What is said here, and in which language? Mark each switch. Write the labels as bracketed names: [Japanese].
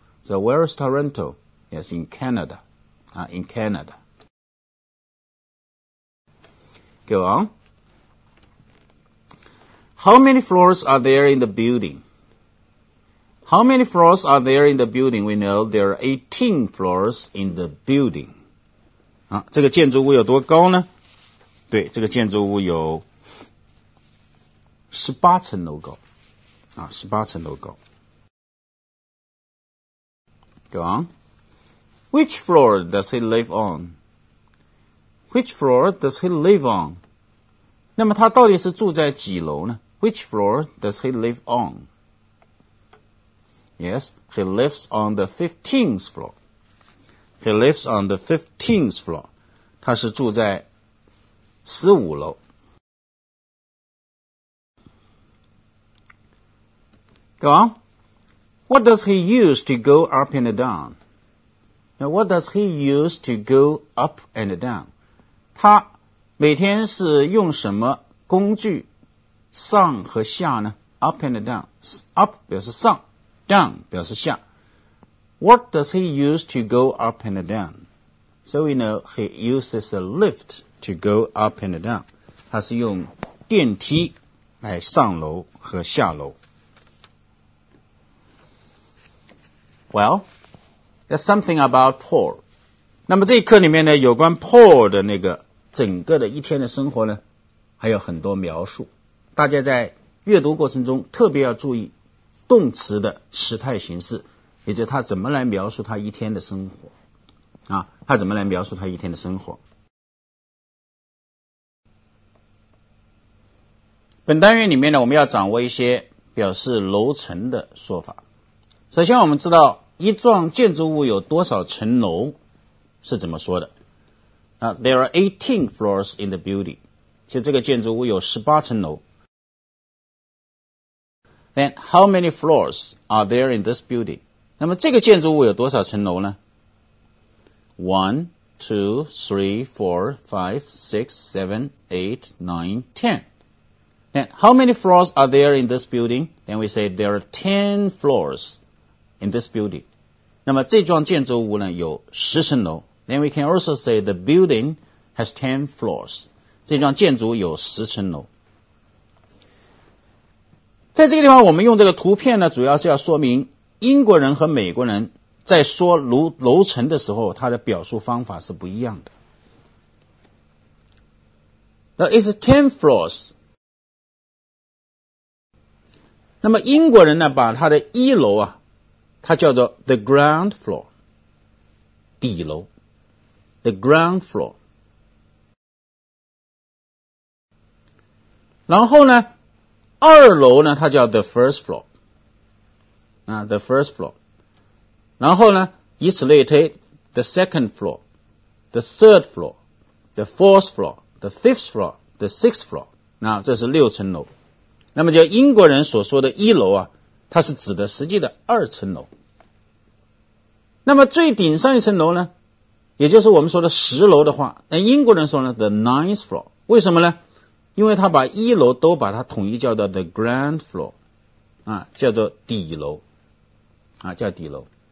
[English] So where is Toronto? Yes, in Canada. In Canada. Go on. How many floors are there in the building? How many floors are there in the building? We know there are 18 floors in the building. [Chinese] 啊，这个建筑物有多高呢？对，这个建筑物有18层楼高。啊，18层楼高。 [English] Go on. Which floor does he live on? Which floor does he live on? [Chinese] 那么他到底是住在几楼呢？ [English] Which floor does he live on? Yes, he lives on the 15th floor. He lives on the 15th floor. 他是住在15楼。 Go on. What does he use to go up and down? Now, what does he use to go up and down? [Chinese] 他每天是用什么工具上和下呢? Up and down. Up 表示上。Down 表示下。 [English] What does he use to go up and down? So we know he uses a lift to go up and down. [Chinese] 他是用电梯来上楼和下楼。 [English] Well, that's something about Paul. [Chinese] 那么这一课里面呢，有关 Paul 的那个整个的一天的生活呢，还有很多描述。大家在阅读过程中特别要注意动词的时态形式，也就是他怎么来描述他一天的生活啊，他怎么来描述他一天的生活。本单元里面呢，我们要掌握一些表示楼层的说法。首先我们知道一幢建筑物有多少层楼是怎么说的啊， There are 18 floors in the building，就这个建筑物有18层楼。 [English] Then, how many floors are there in this building? [Chinese] 那么这个建筑物有多少层楼呢？ [English] 1, 2, 3, 4, 5, 6, 7, 8, 9, 10. Then, how many floors are there in this building? Then we say there are 10 floors in this building. [Chinese] 那么这幢建筑物呢有10层楼。 [English] Then we can also say the building has 10 floors. [Chinese] 这幢建筑有10层楼。在这个地方我们用这个图片呢，主要是要说明英国人和美国人在说楼层的时候，它的表述方法是不一样的。 [English] Now, It's 10 floors. [Chinese] 那么英国人呢，把它的一楼啊，它叫做 the ground floor， 底楼 the ground floor。然后呢二楼呢它叫 the first floor， the first floor. [English] 然后呢，以此类推，the second floor, the third floor, the fourth floor, the fifth floor, the sixth floor. [Chinese] 那这是六层楼。那么就英国人所说的一楼啊，它是指的实际的二层楼。那么最顶上一层楼呢，也就是我们说的十楼的话，那英国人说呢 ，the ninth floor。为什么呢？因为他把一楼都把它统一叫做 the ground floor, 啊，叫做底楼，啊，叫底楼。